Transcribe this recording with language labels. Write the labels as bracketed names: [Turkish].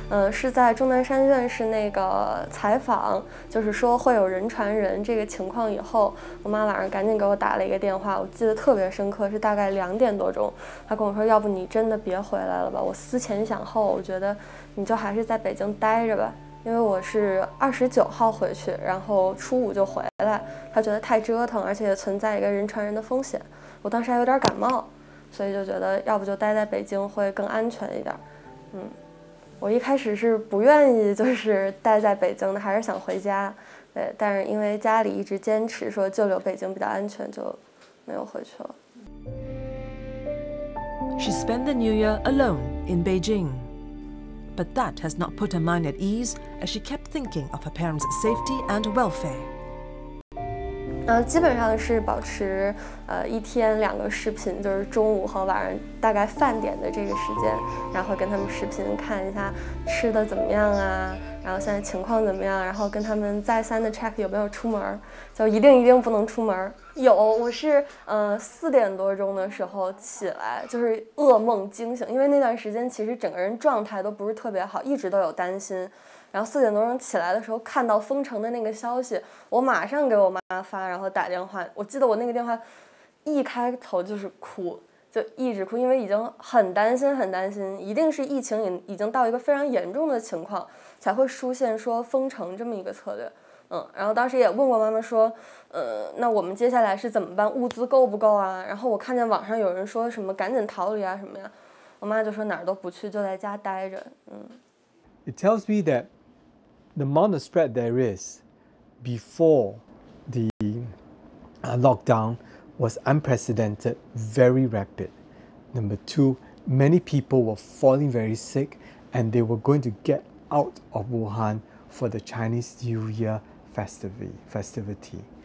[Chinese] 是在钟南山院士那个采访，就是说会有人传人这个情况以后，我妈晚上赶紧给我打了一个电话，我记得特别深刻，是大概2点多钟，她跟我说要不你真的别回来了吧，我思前想后，我觉得你就还是在北京待着吧，因为我是29号回去，然后初5就回来，她觉得太折腾，而且存在一个人传人的风险，我当时还有点感冒，所以就觉得要不就待在北京会更安全一点。我一开始是不愿意就是待在北京的，还是想回家，对，但是因为家里一直坚持说就留北京比较安全，就没有回去了。 [English] She spent the New Year alone in Beijing. But that has not put her mind at ease as she kept thinking of her parents' safety and welfare. [Chinese] 基本上是保持一天两个视频，就是中午和晚上大概饭点的这个时间，然后跟他们视频看一下吃的怎么样啊，然后现在情况怎么样，然后跟他们再三的 check 有没有出门，就一定不能出门。有，我是4点多钟的时候起来，就是噩梦惊醒，因为那段时间其实整个人状态都不是特别好，一直都有担心。然后4点多钟起来的时候，看到封城的那个消息，我马上给我妈发，然后打电话。我记得我那个电话一开头就是哭，就一直哭，因为已经很担心，很担心，一定是疫情已经到一个非常严重的情况，才会出现说封城这么一个策略。然后当时也问过妈妈说，那我们接下来是怎么办？物资够不够啊？然后我看见网上有人说什么赶紧逃离啊什么呀，我妈就说哪儿都不去，就在家待着。 [English] It tells me that the amount of spread there is before the lockdown was unprecedented, very rapid. Number two, many people were falling very sick and they were going to get out of Wuhan for the Chinese New Year festivity.